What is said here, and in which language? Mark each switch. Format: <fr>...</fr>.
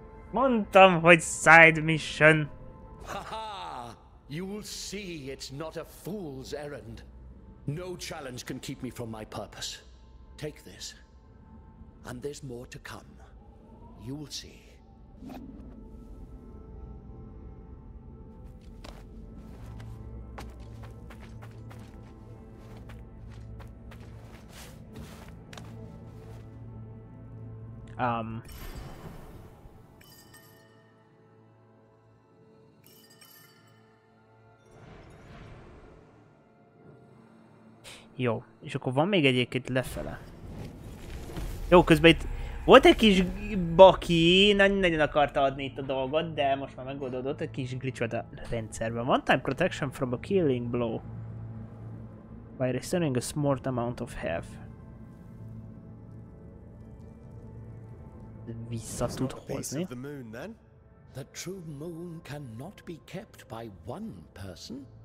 <hu>Mondtam, hogy side mission. Haha!</hu> <en>You'll see it's not a fool's errand. No challenge can keep me from my purpose. Take this. And there's more to come. You will see.</en> <hu>Jó, és akkor van még egyébként lefele. Jó, közben itt volt egy kis baki, nagyon akarta adni itt a dolgot, de most már megoldódott, egy kis glitch volt a rendszerben.</hu> <en>One time protection from a killing blow. By restoring a small amount of health.</en> <hu>Vissza tud hozni.</hu> <en>The true moon cannot be kept by one person.</en>